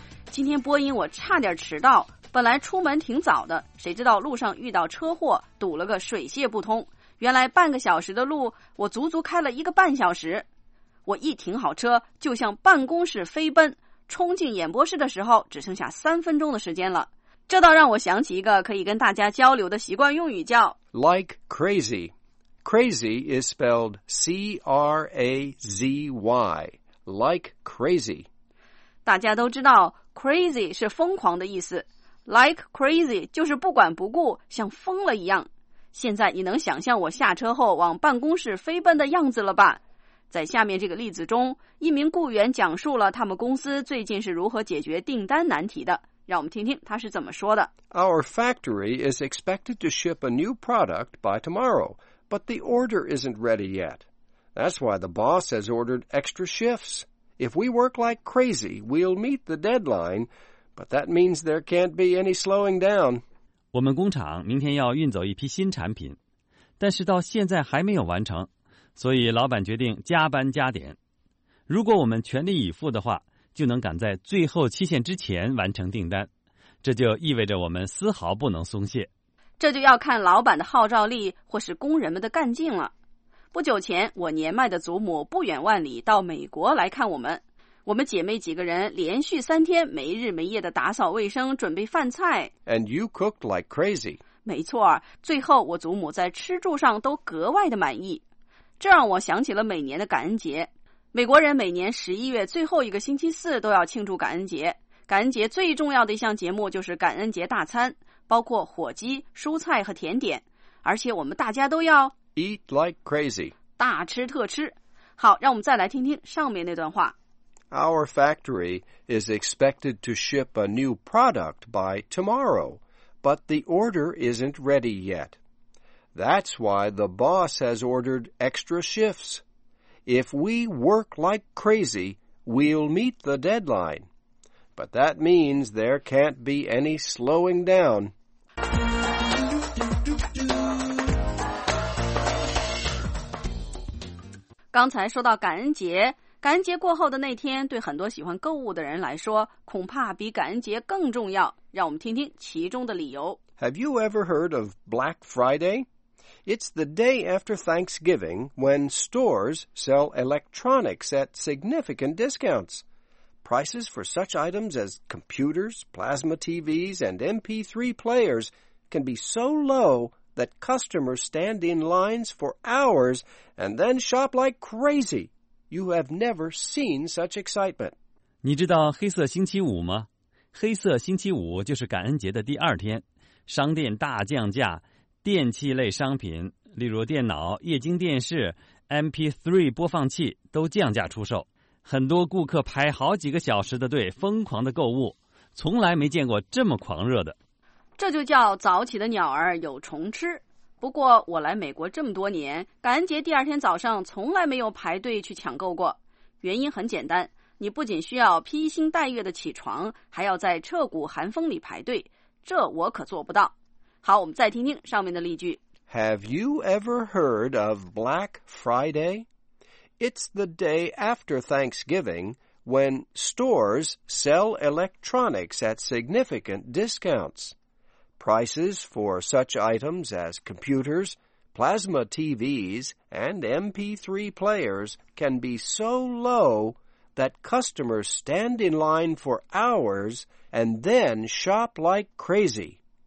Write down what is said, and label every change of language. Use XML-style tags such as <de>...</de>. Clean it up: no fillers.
<zh>今天播音我差点迟到，本来出门挺早的，谁知道路上遇到车祸，堵了个水泄不通。原来半个小时的路，我足足开了一个半小时。我一停好车，就向办公室飞奔，冲进演播室的时候，只剩下3分钟的时间了。这倒让我想起一个可以跟大家交流的习惯用语，叫</zh> <en>Like crazy。 Crazy is spelled C-R-A-Z-Y, like crazy.</en> <zh>大家都知道 crazy 是疯狂的意思。Like crazy 就是不管不顾，像疯了一样。现在你能想象我下车后往办公室飞奔的样子了吧？在下面这个例子中，一名雇员讲述了他们公司最近是如何解决订单难题的。让我们听听他是怎么说的。</zh> <en>Our factory is expected to ship a new product by tomorrow. But the order isn't ready yet. That's why the boss has ordered extra shifts. If we work like crazy, we'll meet the deadline. But that means there can't be any slowing down.</en> <zh>我们工厂明天要运走一批新产品，但是到现在还没有完成，所以老板决定加班加点。如果我们全力以赴的话，就能赶在最后期限之前完成订单。这就意味着我们丝毫不能松懈。这就要看老板的号召力或是工人们的干劲了。不久前，我年迈的祖母不远万里到美国来看我们。我们姐妹几个人连续3天没日没夜的打扫卫生，准备饭菜。</zh> <en>And you cooked like crazy.</en> <zh>没错，最后我祖母在吃住上都格外的满意。这让我想起了每年的感恩节。美国人每年11月最后一个星期四都要庆祝感恩节。感恩节最重要的一项节目就是感恩节大餐，包括火鸡、蔬菜和甜点。而且我们大家都要</zh> <en>Eat like crazy，</en> <zh>大吃特吃。好，让我们再来听听上面那段话。</zh> <en>Our factory is expected to ship a new product by tomorrow, but the order isn't ready yet. That's why the boss has ordered extra shifts. If we work like crazy, we'll meet the deadline. But that means there can't be any slowing down. Do-do-do-do-do.</en> <zh>刚才说到感恩节，感恩节过后的那天对很多喜欢购物的人来说恐怕比感恩节更重要。让我们听听其中的理由。</zh> <en>Have you ever heard of Black Friday? It's the day after Thanksgiving when stores sell electronics at significant discounts. Prices for such items as computers, plasma TVs, and MP3 players can be so low that customers stand in lines for hours and then shop like crazy. You have never seen such excitement.</en> <zh>你知道黑色星期五吗？黑色星期五就是感恩节的第二天，商店大降价，电器类商品，例如电脑、液晶电视、MP3 播放器都降价出售。很多顾客排好几个小时的队，疯狂的购物，从来没见过这么狂热的。这就叫早起的鸟儿有虫吃。不过我来美国这么多年，感恩节第二天早上从来没有排队去抢购过。原因很简单，你不仅需要披星戴月的起床，还要在彻骨寒风里排队，这我可做不到。好，我们再听听上面的例句。</zh> <en>Have you ever heard of Black Friday? It's the day after Thanksgiving when stores sell electronics at significant discounts. Prices for such items as computers, plasma TVs, and MP3 players can be so low that customers stand in line for hours and then shop like crazy.</en>